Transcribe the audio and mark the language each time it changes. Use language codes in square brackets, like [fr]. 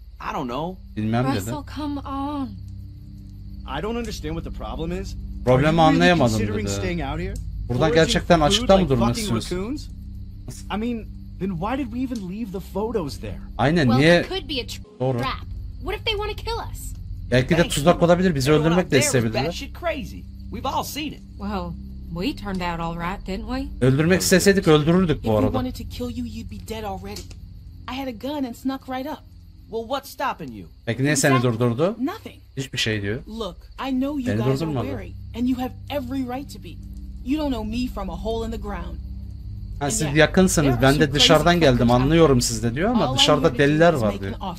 [en] I don't know. [tr] Bilmem dedi. [en] Russell, come on. I don't understand what the problem is. [tr] Problemi anlayamadım dedi. Buradan gerçekten açıkta mı durmak istiyorsunuz? [en] I mean... Then why did we even leave the photos there? [tr] Aynen niye? [en] Well, it could be a trap. What if they want to kill us? [tr] Belki de tuzak olabilir, bizi öldürmek de isteyebilirler. [en] That shit crazy. We've all seen it. Well, we turned out all right, didn't we? [tr] Öldürmek isteseydik öldürürdük bu arada. [en] If we wanted to kill you, you'd be dead already. I had a gun and snuck right up. Well, what's stopping you? [tr] Peki ne seni durdurdu? [en] Nothing. [tr] Hiçbir şey diyor. [en] Look, I know you guys are wary, and you have every right to be. You don't know me from a hole in the ground. [tr] Ha, siz yakınsınız, ben de dışarıdan geldim, anlıyorum siz de diyor ama dışarıda deliler var diyor.